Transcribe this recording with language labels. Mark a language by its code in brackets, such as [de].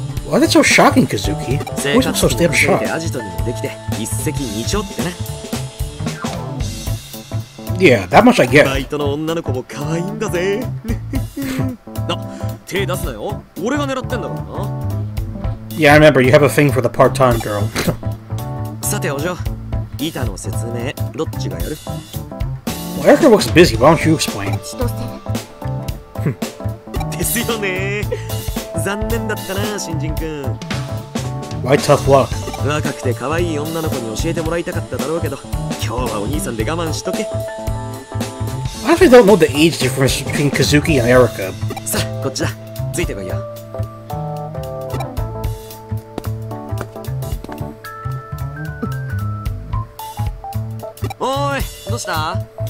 [en] Why that's so shocking, Kazuki? Why is it so damn shocked? [ja] アジトにもできて一石二鳥ってね。 [en] Yeah, that much I get. [ja] バイトの女の子も可愛いんだぜ。な、手出すなよ。俺が狙ってんだからな。 [en] Yeah, I remember. You have a thing for the part-time girl. [ja] さてお嬢、板の説明どっちがやる？ [en] Well, Erica looks busy. Why don't you explain? [ja] ですよね。残念だったな、新人くん。 [en] Why tough luck? [ja] 若くて可愛い女の子に教えてもらいたかっただろうけど、今日はお兄さんで我慢しとけ。 [en] I actually don't know the age difference between Kazuki and Erica. [ja] さあ、こっちだ。ついてこいよ。おい、どうした？